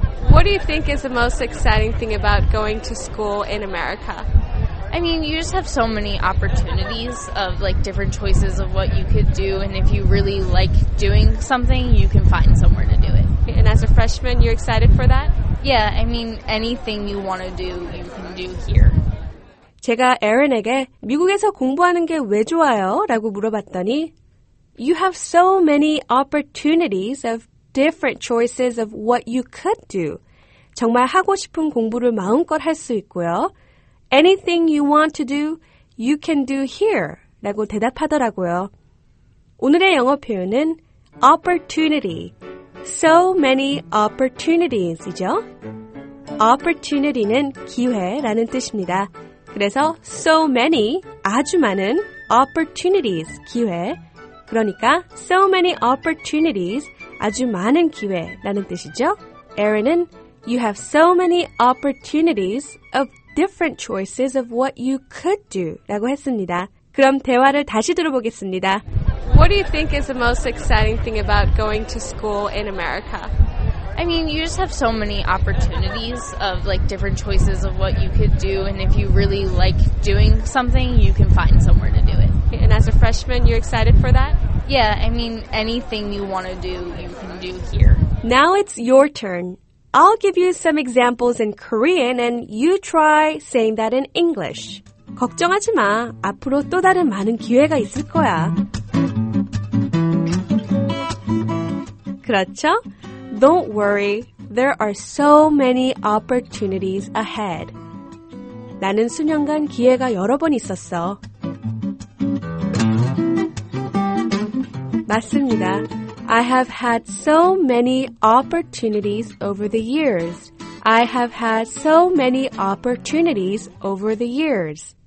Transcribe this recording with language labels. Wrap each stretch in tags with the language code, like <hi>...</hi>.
<en>What do you think is the most exciting thing about going to school in America? I mean, you just have so many opportunities of, like, different choices of what you could do. And if you really like doing something, you can find somewhere to do it. And as a freshman, you're excited for that? Yeah, I mean, anything you want to do, you can do here.</en> <ko>제가 에런에게 미국에서 공부하는 게 왜 좋아요? 라고 물어봤더니</ko> <en>You have so many opportunities of different choices of what you could do.</en> <ko>정말 하고 싶은 공부를 마음껏 할 수 있고요.</ko> <en>Anything you want to do, you can do here.</en> <ko>라고 대답하더라고요. 오늘의 영어 표현은 opportunity.</ko> <en>So many opportunities,</en> <ko>이죠? Opportunity는 기회라는 뜻입니다. 그래서 so many, 아주 많은 opportunities, 기회. 그러니까</ko> <en>so many opportunities,</en> <ko>아주 많은 기회라는 뜻이죠.</ko> <en>Aaron은 you have so many opportunities of different choices of what you could do</en> <ko>라고 했습니다. 그럼 대화를 다시 들어보겠습니다.</ko> <en>What do you think is the most exciting thing about going to school in America? I mean, you just have so many opportunities of like different choices of what you could do and if you really like doing something, you can find somewhere to do it. And as a freshman, you're excited for that? Yeah, I mean, anything you want to do, you can do here. Now it's your turn. I'll give you some examples in Korean and you try saying that in English.</en> <ko>걱정하지 마. 앞으로 또 다른 많은 기회가 있을 거야. 그렇죠?</ko> <en>Don't worry. There are so many opportunities ahead.</en> <ko>나는 수년간 기회가 여러 번 있었어. 맞습니다.</ko> <en>I have had so many opportunities over the years. I have had so many opportunities over the years.</en>